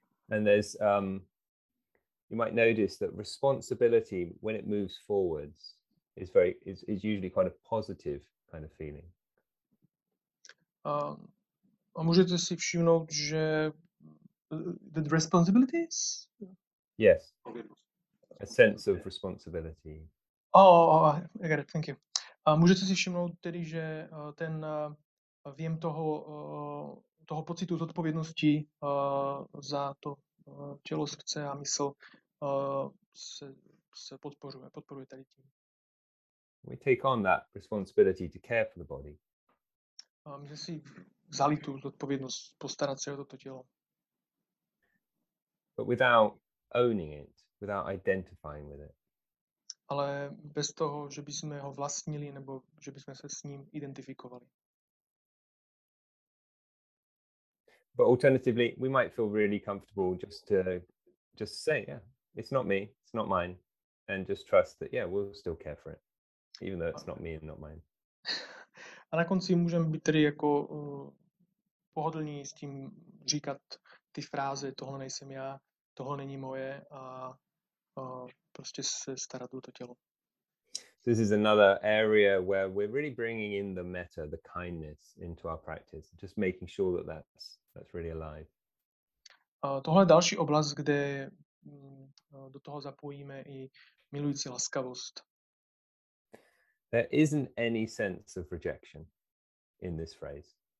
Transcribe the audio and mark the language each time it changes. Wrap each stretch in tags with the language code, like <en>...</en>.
<en>And there's you might notice that responsibility when it moves forwards is usually quite a positive kind of feeling.</en> <cs>A můžete si všimnout, že</cs> <en>that responsibility is? Yes. A sense of responsibility. Oh, I got it. Thank you.</en> <cs>Můžete si všimnout tedy, že ten vjem toho pocitu zodpovědnosti za to tělo, srdce a mysl se podporuje tady tím.</cs> <en>We take on that responsibility to care for the body.</en> <cs>Můžete si vzali tu zodpovědnost postarat se o toto tělo.</cs> <en>But without owning it, without identifying with it.</en> <cs>Ale bez toho, že bychom ho vlastnili nebo že bychom se s ním identifikovali.</cs> <en>But alternatively, we might feel really comfortable just to say, yeah, it's not me, it's not mine, and just trust that, yeah, we'll still care for it, even though it's not me and not mine.</en> <cs>A na konci můžeme být tedy jako pohodlní s tím říkat ty fráze, tohle nejsem já, tohle není moje a prostě se starat o to tělo.</cs> <en>This is another area where we're really bringing in the metta, the kindness into our practice, just making sure that that's really alive.</en> <cs>Tohle je další oblast, kde do toho zapojíme i milující laskavost.</cs> <en>There isn't any sense of rejection in this phrase.</en>